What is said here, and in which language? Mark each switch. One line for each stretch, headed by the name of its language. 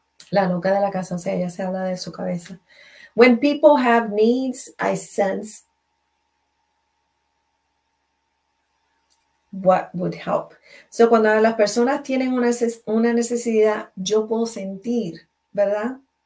Spanish: La loca de la casa, o sea, ella se habla de su cabeza.
English: When people have needs, I sense what would help.
Spanish: So, cuando las personas tienen una necesidad, yo puedo sentir, ¿verdad?